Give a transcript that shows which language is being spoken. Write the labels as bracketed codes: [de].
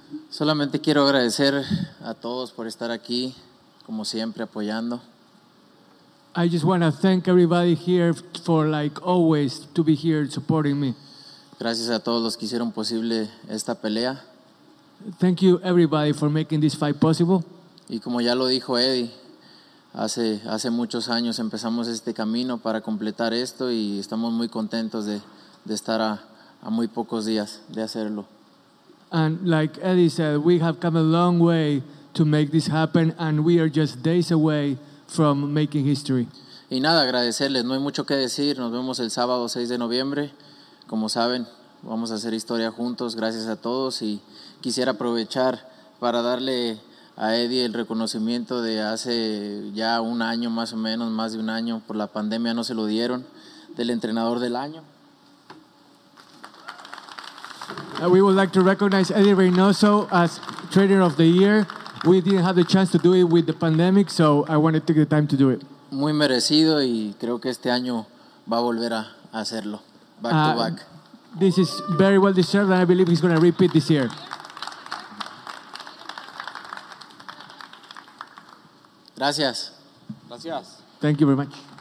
[es] Solamente quiero agradecer a todos por estar aquí. Como siempre, apoyando. [en] I just want to thank everybody here for, like always, to be here supporting me. [es] Gracias a todos los que hicieron posible esta pelea. [en] Thank you, everybody, for making this fight possible. [es] Y como ya lo dijo Eddie, hace muchos años empezamos este camino para completar esto, y estamos muy contentos de estar a muy pocos días de hacerlo. [en] And like Eddie said, we have come a long way to make this happen, and we are just days away from making history. [es] Y nada, agradecerles. No hay mucho que decir. Nos vemos el sábado 6 de noviembre. Como saben, vamos a hacer historia juntos. Gracias a todos. Y quisiera aprovechar para darle a Eddie el reconocimiento de hace ya un año, más o menos, más de un año. Por la pandemia no se lo dieron, del entrenador del año. [en] We would like to recognize Eddie Reynoso as Trainer of the Year. We didn't have the chance to do it with the pandemic, so I wanted to take the time to do it. [es] Muy merecido, y creo que este año va a volver a hacerlo, [en] back to back. This is very well deserved, and I believe he's going to repeat this year. [es] Gracias. Gracias. [en] Thank you very much.